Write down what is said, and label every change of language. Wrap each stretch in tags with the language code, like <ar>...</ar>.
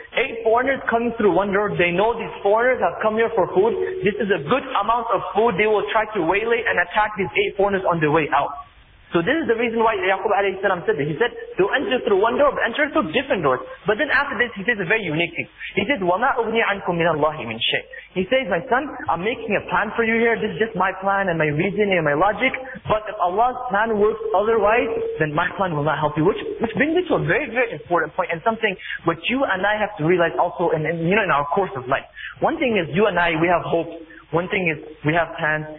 <en>Eight foreigners coming through one door, they know these foreigners have come here for food. This is a good amount of food. They will try to waylay and attack these eight foreigners on their way out. So this is the reason why Yaqub alayhi salam said this. He said, don't enter through one door, but enter through different doors. But then after this, he says a very unique thing. He says,</en> <ar>وَمَا أُغْنِي عَنْكُمْ مِنَ اللَّهِ مِنْ شَيْءٍ.</ar> <en>He says, my son, I'm making a plan for you here. This is just my plan and my reasoning and my logic. But if Allah's plan works otherwise, then my plan will not help you. Which brings me to a very, very important point and something which you and I have to realize also in our course of life. One thing is you and I, we have hope. One thing is we have plans.</en>